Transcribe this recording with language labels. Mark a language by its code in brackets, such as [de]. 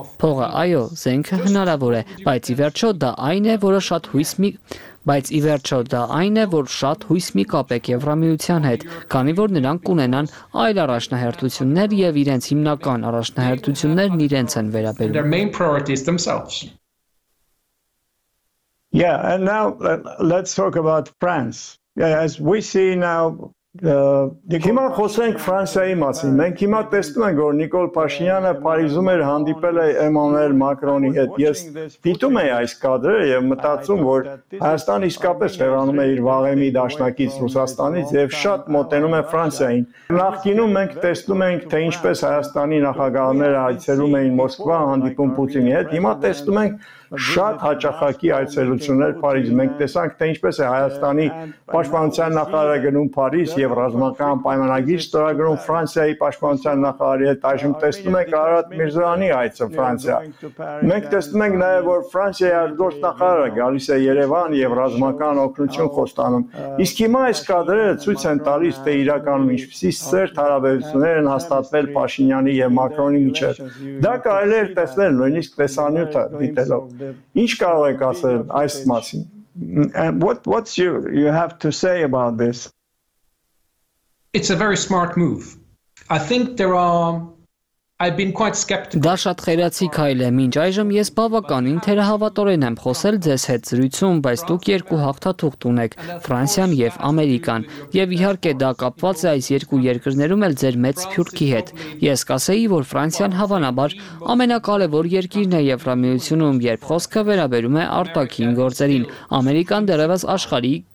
[hy] Փողը, այո, զենքը հնարավոր է, բայց ի վերջո դա այն է, որը շատ հույս մի Բայց ի վերջո դա այն է, որ շատ հույս մի կապ է Եվրամիության հետ, քանի որ նրանք կունենան այլ առաջնահերթություններ եւ իրենց հիմնական առաջնահերթություններն իրենց են վերաբերում։ [en] Yeah, and now let's talk about France. as we see now, [hy] հիմա խոսենք Ֆրանսիայի մասին։ Մենք հիմա տեսնում ենք, որ Նիկոլ Փաշինյանը Փարիզում էր հանդիպել Էմանուել Մակրոնի հետ։ Ես դիտում եմ այս կադրը եւ մտածում, որ Հայաստանը իսկապես վերանում է իր վաղեմի դաշնակից Ռուսաստանից եւ շատ մոտենում է Ֆրանսիային։ Նախկինում մենք տեսնում ենք, թե ինչպես Հայաստանի նախագահները այցելում էին Մոսկվա հանդիպում Պուտինի հետ։ Հիմա տեսնում ենք շատ հաճախակի այցելություններ Փարիզ։ Մենք տեսանք, թե ինչպես է Հայաստանի պաշտպանության նախարարը գնում Փարիզ եւ ռազմական պայմանագիր ստորագրում Ֆրանսիայի պաշտպանության նախարարի հետ։ Այժմ տեսնում ենք Արարատ Միրզանի այցը Ֆրանսիա։ Մենք տեսնում ենք նաեւ, որ Ֆրանսիայի արտգործ նախարարը գալիս է Երևան եւ ռազմական օգնություն խոստանում։ Իսկ հիմա այս կադրերը ցույց են տալիս, թե իրականում ինչպեսի սերտ հարաբերություններ են հաստատվել Փաշինյանի եւ Մակրոնի միջեւ։ Դա կարելի է տեսնել նույնիսկ տեսանյութը դիտելով։ Ինչ կարող եք ասել այս մասին? [en] What's you have to say about this? It's a very smart move. I think there are I've been quite skeptical. [hy] Դա շատ խելացի քայլ է, մինչ այժմ ես բավականին թերահավատորեն եմ խոսել ձեզ հետ զրույցում, բայց դուք երկու հաղթաթուղթ ունեք՝ Ֆրանսիան եւ Ամերիկան, եւ իհարկե դա կապված է այս երկու երկրներում էլ ձեր մեծ փյուրքի հետ։ Ես կասեի, որ Ֆրանսիան հավանաբար ամենակարևոր երկիրն է Եվրամիությունում, երբ խոսքը վերաբերում է արտաքին գործերին։ Ամերիկան դեռևս աշխարհի